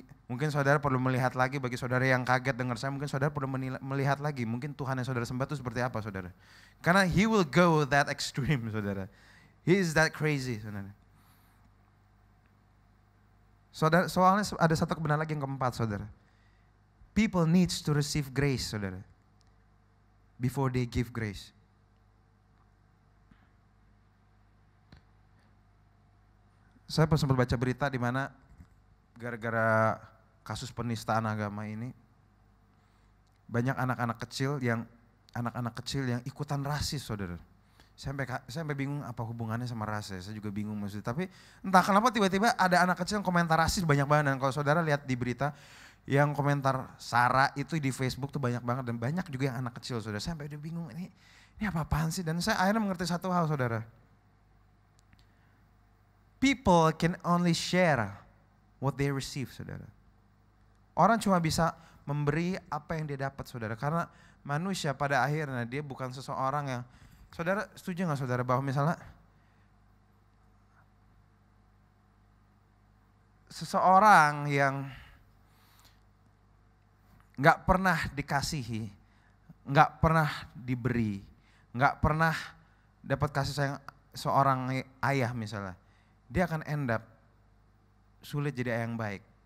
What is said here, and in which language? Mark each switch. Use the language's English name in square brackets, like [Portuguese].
[Indonesian] Mungkin saudara perlu melihat lagi, bagi saudara yang kaget dengar saya, mungkin saudara perlu melihat lagi, mungkin Tuhan yang saudara sembah itu seperti apa, saudara. Karena [English] he will go that extreme, saudara. He is that crazy, saudara. [Indonesian] Saudara, soalnya ada satu kebenaran lagi yang keempat, saudara. [English] People needs to receive grace, saudara, before they give grace. [Indonesian] Saya pernah sempat baca berita di mana gara-gara kasus penistaan agama ini banyak anak-anak kecil yang ikutan rasis, saudara. Saya sampai bingung apa hubungannya sama ras, saya juga bingung maksudnya. Tapi entah kenapa tiba-tiba ada anak kecil yang komentar rasis banyak banget. Dan kalau saudara lihat di berita yang komentar Sara itu di Facebook tuh banyak banget, dan banyak juga yang anak kecil, saudara. Saya sampai udah bingung ini apa-apaan sih. Dan saya akhirnya mengerti satu hal, saudara. [English] People can only share what they receive, saudara. [Indonesian] Orang cuma bisa memberi apa yang dia dapat, saudara. Karena manusia pada akhirnya dia bukan seseorang yang, saudara setuju gak saudara bahwa misalnya seseorang yang gak pernah dikasihi, gak pernah diberi, gak pernah dapat kasih sayang seorang ayah misalnya, dia akan end up sulit jadi ayah yang baik.